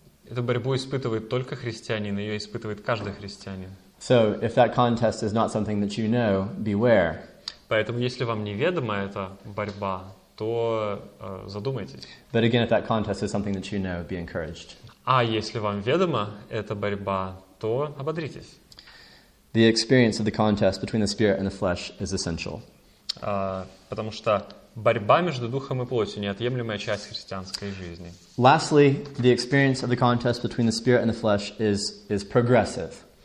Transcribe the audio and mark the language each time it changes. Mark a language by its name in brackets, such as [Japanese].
[Russian] Эту борьбу испытывает только христианин, ее испытывает каждый христианин. [English] So, if that contest is not something that you know, beware. [Russian] Поэтому, если вам неведома эта борьба, то задумайтесь. [English] But again, if that contest is something that you know, be encouraged. [Russian] А если вам ведома эта борьба, то ободритесь. [English] The experience of the contest between the spirit and the flesh is essential. [Russian] Потому что борьба между духом и плотью — неотъемлемая часть христианской жизни. [English] Lastly, the experience of the contest between the spirit and the flesh is progressive.